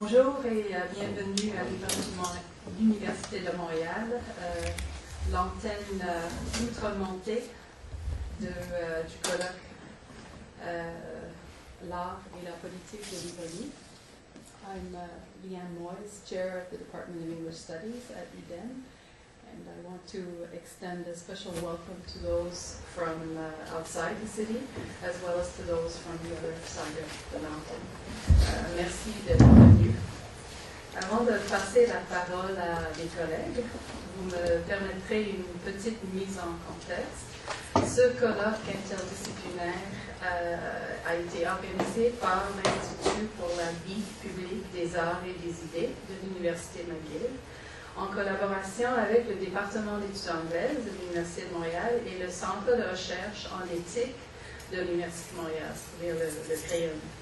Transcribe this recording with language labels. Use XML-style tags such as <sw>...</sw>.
<fr>Bonjour et bienvenue à l'Université de Montréal, l'antenne outre-montée du colloque L'art et la politique de l'Italie.</fr> <en>I'm Leanne Moyes, chair of the Department of English Studies at UDEM, and I want to extend a special welcome to those from outside the city, as well as to those from the other side of the mountain.</en> <fr>Merci d'être venu. Avant de passer la parole à mes collègues, vous me permettrez une petite mise en contexte. Ce colloque interdisciplinaire a été organisé par l'Institut pour la vie publique des arts et des idées de l'Université McGill, en collaboration avec le département d'études anglaises de l'Université de Montréal et le Centre de recherche en éthique de l'Université de Montréal, c'est-à-dire le CREUM.</fr>